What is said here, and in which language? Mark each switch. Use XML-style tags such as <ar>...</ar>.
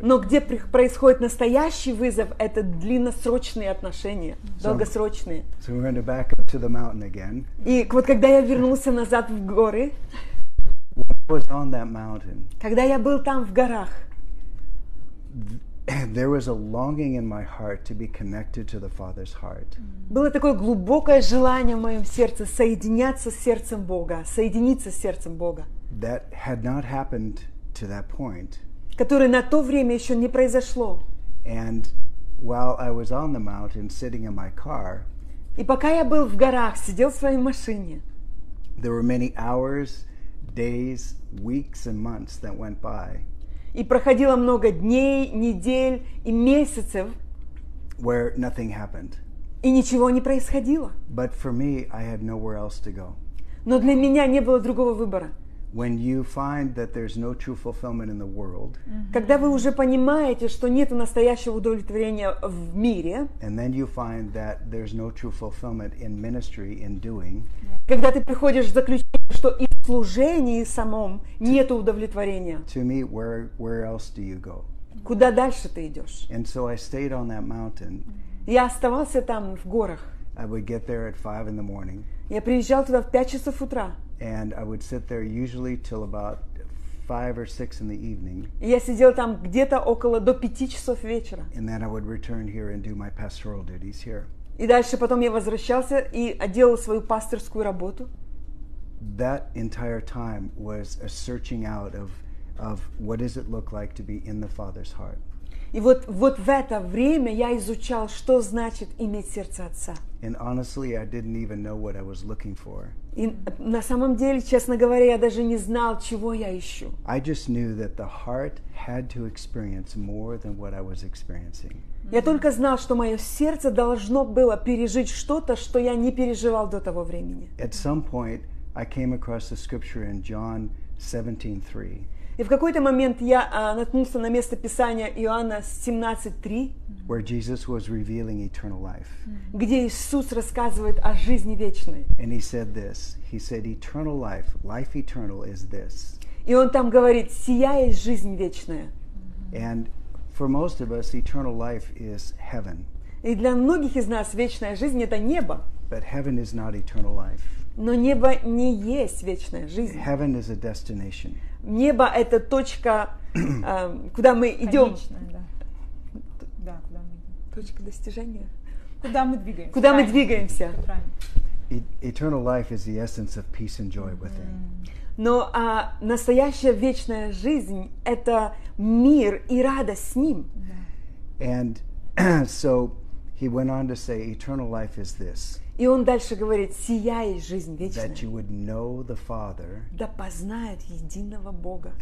<ru>Но где происходит настоящий вызов, это длинносрочные отношения, долгосрочные.</ru> <en>So we're going to back up to the mountain again.</en> <ru>И вот когда я вернулся назад в горы,</ru> <en>was on that mountain,</en> <ru>когда я был там в горах,</ru> <en>there was a longing in my heart to be connected to the Father's heart.</en> <ru>Было такое глубокое желание в моем сердце соединяться с сердцем Бога, соединиться с сердцем Бога.</ru> <en>That had not happened to that point.</en> <ru>Которое на то время еще не произошло.</ru> <en>And while I was on the mountain, sitting in my car,</en> <ru>и пока я был в горах, сидел в своей машине,</ru> <en>there were many hours, days, weeks, and months that went by.</en> <ru>И проходило много дней, недель и месяцев,</ru> <en>where nothing happened.</en> <ru>И ничего не происходило.</ru> <en>But for me, I had nowhere else to go.</en> <ru>Но для меня не было другого выбора.</ru> <en>When you find that there's no true fulfillment in the world,</en> <ru>когда вы уже понимаете, что нет настоящего удовлетворения в мире,</ru> <en>and then you find that there's no true fulfillment in ministry in doing,</en> <ru>когда ты приходишь к заключению, что и в служении самом нет удовлетворения,</ru> <en>to me, where else do you go?</en> <ru>Куда дальше ты идешь?</ru> <en>And so I stayed on that mountain.</en> <ru>Я оставался там в горах.</ru> <en>I would get there at 5 in the morning.</en> <ru>Я приезжал туда в 5 часов утра.</ru> <en>And I would sit there usually till about 5 or 6 in the evening.</en> <ru>Я сидел там где-то около до 5 часов вечера.</ru> <en>And then I would return here and do my pastoral duties here.</en> <ru>И дальше потом я возвращался и делал свою пасторскую работу.</ru> <en>That entire time was a searching out of what does it look like to be in the Father's heart.</en> <ru>И вот в это время я изучал, что значит иметь сердце Отца.</ru> <en>And honestly, I didn't even know what I was looking for.</en> <ru>И на самом деле, честно говоря, я даже не знал, чего я ищу.</ru> <en>I just knew that the heart had to experience more than what I was experiencing.</en> <ru>Я только знал, что мое сердце должно было пережить что-то, что я не переживал до того времени.</ru> <en>At some point, I came across the scripture in John 17:3.</en> <ru>И в какой-то момент я наткнулся на место Писания Иоанна 17:3,</ru> <en>where Jesus was revealing eternal life.</en> <ru>Где Иисус рассказывает о жизни вечной.</ru> <en>And he said this. He said, "Eternal life, life eternal, is this."</en> <ru>И он там говорит: "Сия есть жизнь вечная."</ru> <en>And for most of us, eternal life is heaven.</en> <ru>И для многих из нас вечная жизнь — это небо.</ru> <en>But heaven is not eternal life.</en> <ru>Но небо не есть вечная жизнь.</ru> <en>Heaven is a destination.</en> <ru>Небо — это точка, куда мы идем. Конечная, да. Да, куда мы идем. Точка достижения. Куда мы двигаемся. Куда мы двигаемся.</ru> <en>Eternal life is the essence of peace and joy within.</en> <ru>Но настоящая вечная жизнь — это мир и радость с ним.</ru> <en>And so he went on to say, eternal life is this.</en> <ru>И он дальше говорит: сия есть жизнь вечная.</ru> <en>That you would know the Father.</en> <ru>Да познают единого Бога.</ru>